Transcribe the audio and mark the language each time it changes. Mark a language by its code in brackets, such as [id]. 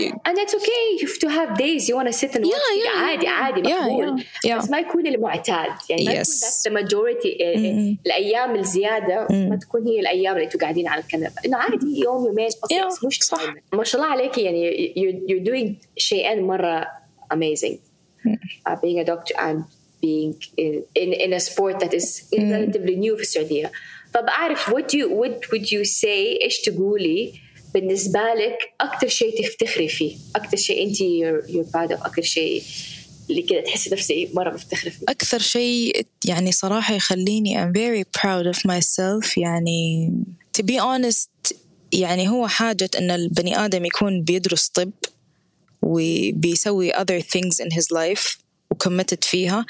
[en] and it's okay if to have days you want to sit and watch. [ar] عادي مقبول. بس ما يكون المعتاد، يعني ما يكون [en] that's the majority. [ar] الأيام الزيادة ما تكون هي الأيام اللي تقعدين على الكنبة، إنه عادي يوم يومين مش صح. ما شاء الله عليك، يعني [en] you're doing [ar] شيئين مرة [en] amazing. Being a doctor and being in a sport that is relatively new [ar] في السعودية. فبعرف [en] what would you say [ar] إيش تقولي بالنسبة لك أكتر شيء تفتخري فيه، أكتر شيء أنت [en] you're proud of، [ar] أكتر شيء اللي كده تحسي نفسي مرة مفتخرة فيه. أكتر شيء يعني صراحة يخليني [en] I'm very proud of myself، [ar] يعني [en] to be honest [ar] يعني هو حاجة إن البني آدم يكون بيدرس طب وبيسوي [en] other things in his life committed [ar] فيها.